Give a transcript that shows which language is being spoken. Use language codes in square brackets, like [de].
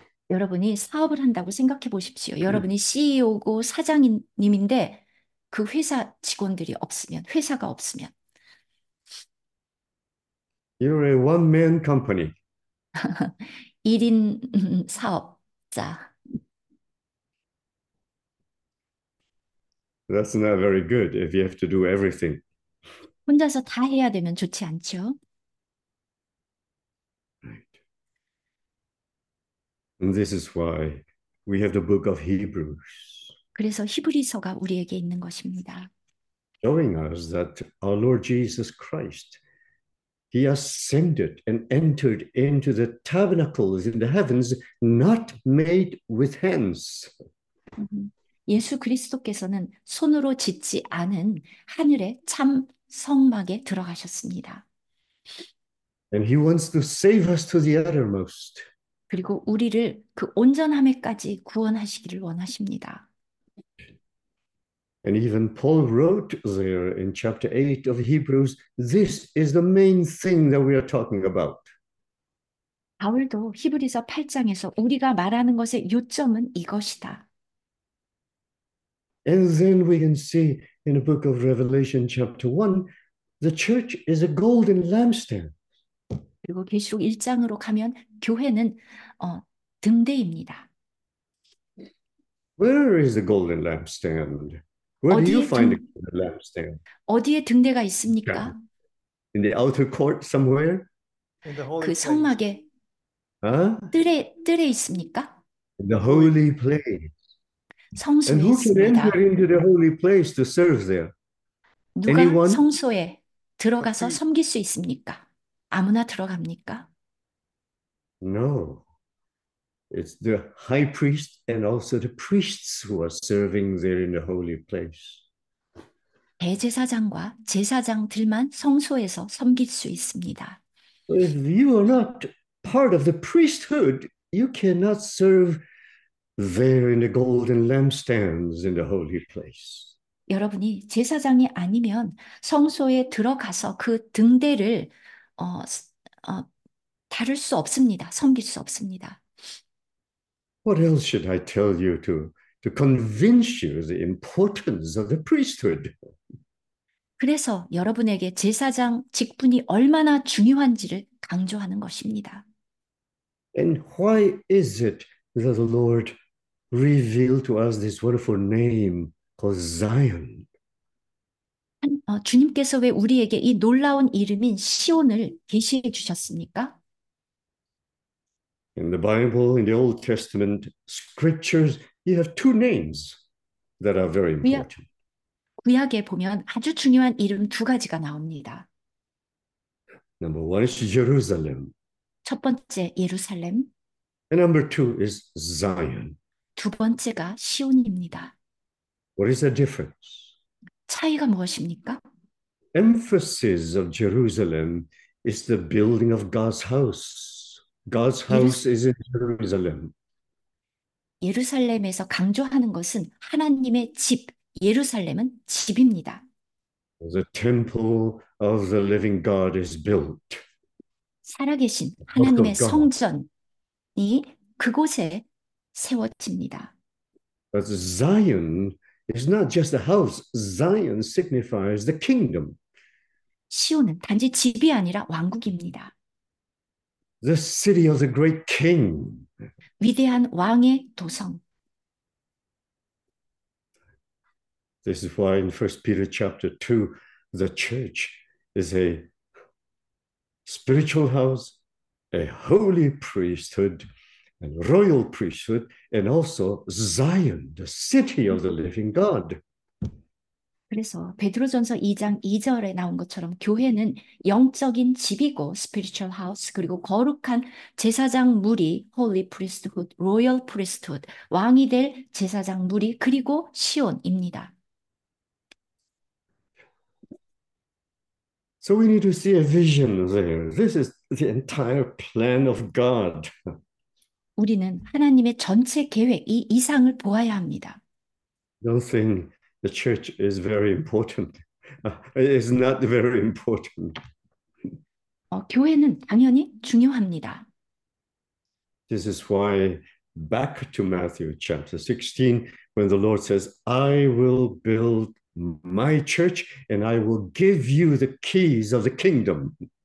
[ko] 여러분이 사업을 한다고 생각해 보십시오. 여러분이 CEO고 사장님인데 그 회사 직원들이 없으면, 회사가 없으면. [en] You're a one-man company. [ko] 1인 사업자. [en] That's not very good if you have to do everything. [ko] 혼자서 다 해야 되면 좋지 않죠? [en] And this is why we have the book of Hebrews, [ko] 그래서 히브리서가 우리에게 있는 것입니다. [en] showing us that our Lord Jesus Christ, he ascended and entered into the tabernacles in the heavens, not made with hands. [ko] 예수 그리스도께서는 손으로 짓지 않은 하늘의 참 성막에 들어가셨습니다. [en] And he wants to save us to the uttermost. [ko] 그리고 우리를 그 온전함에까지 구원하시기를 원하십니다. [en] And even Paul wrote there in chapter 8 of Hebrews, this is the main thing that we are talking about. [ko] 바울도 히브리서 8장에서 우리가 말하는 것의 요점은 이것이다. [en] And then we can see in the book of Revelation, chapter 1, the church is a golden lampstand. [ko] 그리고 계시록 1장으로 가면 교회는 등대입니다. [en] Where is the golden lampstand? Where do you find a lampstand? [ko] 어디에 등대가 [en] Chapel. [ko] 있습니까? [en] In the outer court somewhere? In the holy [ko] 그 [en] place. [ko] 성막에 Huh? 뜰에 있습니까? [en] In the holy place. And [ko] 성소에 [en] who can enter [ko] 있습니다. [en] into the holy place to serve there? [ko] 누가 [en] Anyone? [ko] 성소에 [en] A [ko] 들어가서 [en] priest. [ko] 섬길 수 있습니까? 아무나 들어갑니까? [en] No. It's the high priest and also the priests who are serving there in the holy place. [ko] 대제사장과 제사장들만 성소에서 섬길 수 있습니다. [en] So if you are not part of the priesthood, you cannot serve there in the golden lampstands in the holy place. [ko] 여러분이 제사장이 아니면 성소에 들어가서 그 등대를 다룰 수 없습니다. 섬길 수 없습니다. [en] What else should I tell you to convince you the importance of the priesthood? [ko] 그래서 여러분에게 제사장 직분이 얼마나 중요한지를 강조하는 것입니다. [en] And why is it that the Lord revealed to us this wonderful name called Zion? [ko] 주님께서 왜 우리에게 이 놀라운 이름인 시온을 계시해 주셨습니까? [en] In the Bible, in the Old Testament scriptures, you have two names that are very [ko] 구약에 [en] important. [ko] 보면 아주 중요한 이름 두 가지가 나옵니다. [en] Number one is Jerusalem. [ko] 첫 번째, 예루살렘. [en] And number two is Zion. [ko] 두 번째가 시온입니다. [en] What is the difference? [ko] 차이가 무엇입니까? [en] Emphasis of Jerusalem is the building of God's house. God's house is in Jerusalem. [ko] 예루살렘에서 강조하는 것은 하나님의 집, 예루살렘은 집입니다. [en] The temple of the living God is built. [ko] 살아계신 [en] The house of [ko] 하나님의 [en] God. [ko] 성전이 그곳에 세워집니다. [en] But Zion is not just a house. Zion signifies the kingdom. [ko] 시온은 단지 집이 아니라 왕국입니다. [en] The city of the great king. [ko] 위대한 왕의 도성. [en] This is why in 1 Peter chapter 2, the church is a spiritual house, a holy priesthood, and royal priesthood, and also Zion, the city of the living God. [ko] 그래서 베드로전서 2장 2절에 나온 것처럼 교회는 영적인 집이고 [en] 스피리추얼 하우스 [ko] 그리고 거룩한 제사장 무리, [en] Holy Priesthood, Royal Priesthood, [ko] 왕이 될 제사장 무리 그리고 시온입니다. [en] So we need to see a vision there. This is the entire plan of God. [ko] 우리는 하나님의 전체 계획, 이 이상을 보아야 합니다. [en] Don't think the church is very important. It's not very important. [ko] 교회는 당연히 중요합니다. [en] This is why back to Matthew chapter 16, when the Lord says, I will build my church, and I will give you the keys of the kingdom.